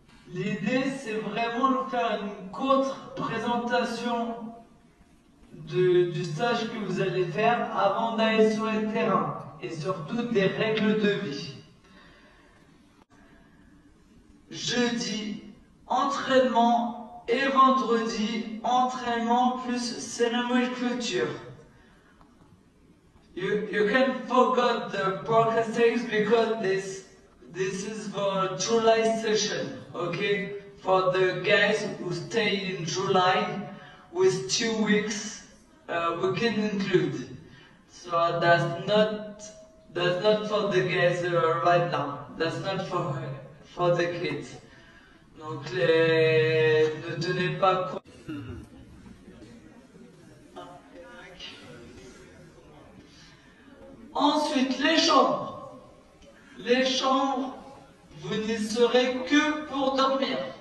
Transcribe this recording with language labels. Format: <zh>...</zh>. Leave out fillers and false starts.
<fr>L'idée, c'est vraiment de faire une courte présentation du stage que vous allez faire avant d'aller sur le terrain et surtout des règles de vie. Jeudi, entraînement et vendredi, entraînement plus cérémonie de clôture.</fr> <en>You can forget the broadcast things because this is for July session, okay? For the guys who stay in July with 2 weeks, we can include. So that's not for the guys right now. That's not for the kids.</en> <fr>Donc ne tenez pas compte. Ensuite, les chambres. Les chambres, vous n'y serez que pour dormir.</fr>